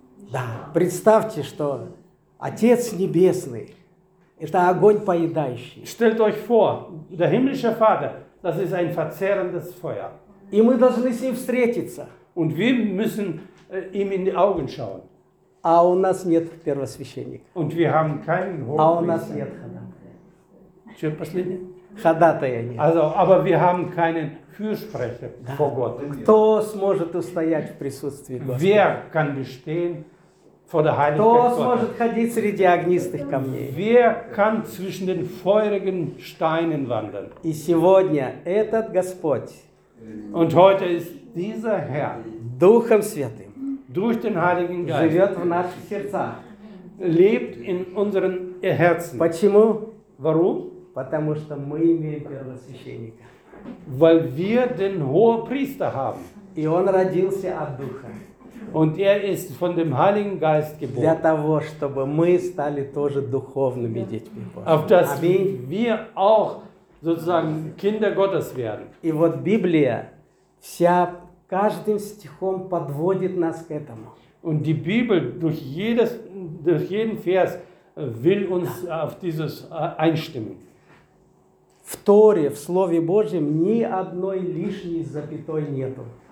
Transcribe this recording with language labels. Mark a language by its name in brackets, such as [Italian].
[Russian] Да, представьте, что Отец Небесный – это огонь поедающий. [German] Stellt euch vor, der himmlische Vater, das ist ein verzehrendes Feuer. [Russian] И мы должны с ним встретиться. [German] Und wir müssen ihm in die Augen schauen. [Russian] А у нас нет первосвященника. [German] Und wir haben keinen Hohepriester. [Russian] А у нас нет ходатая. Что последнее? Ходатая нет. [German] Also, aber wir haben keinen Fürsprecher vor Gott. [Russian] Кто сможет устоять в присутствии Господа? [German] Wer kann bestehen? [Russian] Кто сможет ходить среди огнистых камней? [German] Wer kann zwischen den feurigen Steinen wandern? [Russian] И сегодня этот Господь. [German] Und heute ist dieser Herr. [Russian] Духом Святым. [German] Durch den Heiligen Geist. [Russian] Живет в наших сердцах. [German] Lebt in unseren Herzen. [Russian] Почему? [German] Warum? [Russian] Потому что мы имеем первосвященника. [German] Weil wir den Hohepriester haben. [Russian] И он родился от Духа. [German] Und er ist von dem Heiligen Geist geboren. [Russian] Для того, чтобы мы стали тоже духовными детьми Божьими. [German] Auf dass wir auch sozusagen Kinder Gottes werden. [Russian] И вот Библия вся каждым стихом подводит нас к этому. [German] Und die Bibel durch jeden Vers will uns auf dieses einstimmen. [Russian] В Торе, в Слове Божьем ни одной лишней запятой нету.